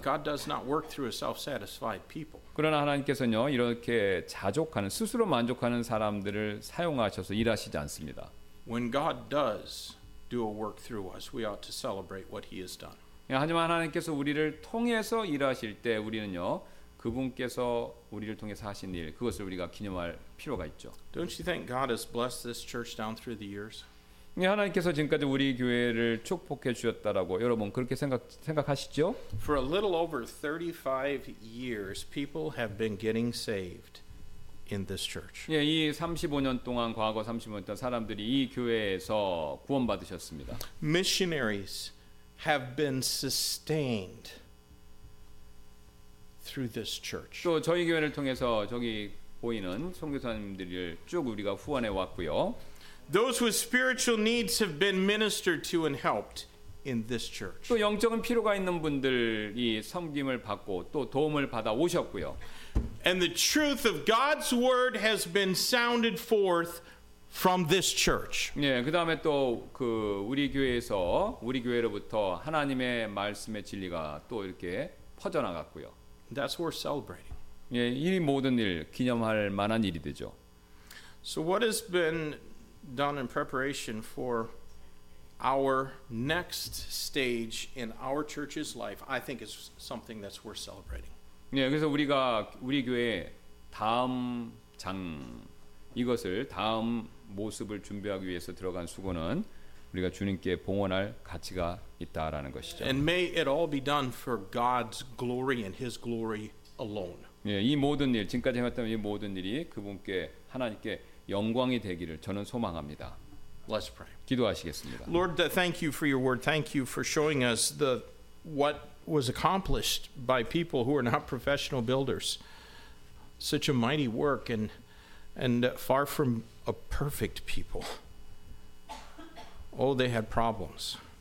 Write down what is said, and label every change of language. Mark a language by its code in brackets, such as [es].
[en] God does not work through a self-satisfied people. [ko] 그러나 하나님께서는요 이렇게 자족하는 스스로 만족하는 사람들을 사용하셔서 일하시지 않습니다. [en] When God does do a work through us, we ought to celebrate what He has done. [ko] 예, 하지만 하나님께서 우리를 통해서 일하실 때 우리는요 그분께서 우리를 통해서 하신 일 그것을 우리가 기념할 필요가 있죠. [en] Don't you think God has blessed this church down through the years? [ko] 예, 하나님께서 지금까지 우리 교회를 축복해 주셨다라고 여러분 그렇게 생각하시죠? [en] For a little over 35 years, people have been getting saved in this church. [ko] 예, 이 35년 동안 과거 35년 동안 사람들이 이 교회에서 구원받으셨습니다. [en] Missionaries have been sustained through this church. [ko] 또 저희 교회를 통해서 저기 보이는 선교사님들을 쭉 우리가 후원해 왔고요. [en] Those with spiritual needs have been ministered to and helped in this church. [ko] 또 영적인 필요가 있는 분들이 섬김을 받고 또 도움을 받아 오셨고요. [en] And the truth of God's word has been sounded forth from this church. [ko] 예, 그다음에 또 그 우리 교회에서 우리 교회로부터 하나님의 말씀의 진리가 또 이렇게 퍼져 나갔고요. [en] That's worth celebrating. [ko] 예, 이 모든 일 기념할 만한 일이 되죠. [en] So what has been done in preparation for our next stage in our church's life, I think is something that's worth celebrating. [ko] 예, 그래서 우리가 우리 교회 다음 장 이것을 다음 모습을 준비하기 위해서 들어간 수고는 우리가 주님께 봉헌할 가치가 있다라는 것이죠. [en] And may it all be done for God's glory and His glory alone. [ko] 예, 이 모든 일 지금까지 해왔던 이 모든 일이 그분께 하나님께 영광이 되기를 저는 소망합니다. [en] Let's pray. [ko] 기도하시겠습니다. [en] Lord, thank you for your word. Thank you for showing us the what was accomplished by people who are not professional builders. Such a mighty work and far from a perfect people. Oh, they had problems.